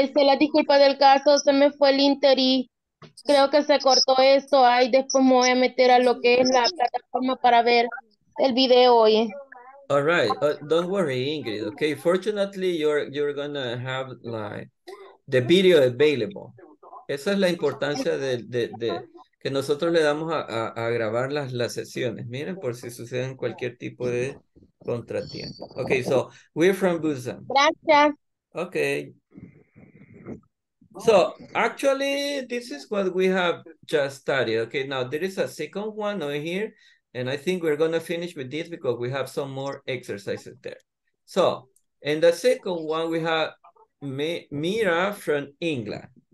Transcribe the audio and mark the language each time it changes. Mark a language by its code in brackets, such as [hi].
[es] La disculpa del caso, se me fue el inter y creo que se cortó eso. Ay, después me voy a meter a lo que es la plataforma para ver el video hoy. [en] All right, don't worry, Ingrid. Okay, fortunately, you're gonna have like the video available. [es] Esa es la importancia de que nosotros le damos a grabar las sesiones. Miren, por si suceden cualquier tipo de contratiempo. [en] Okay, so we're from Busan. [es] Gracias. [en] Okay. So actually, this is what we have just studied. Okay, now there is a second one over here. And I think we're gonna finish with this because we have some more exercises there. So, in the second one, we have Mira from England.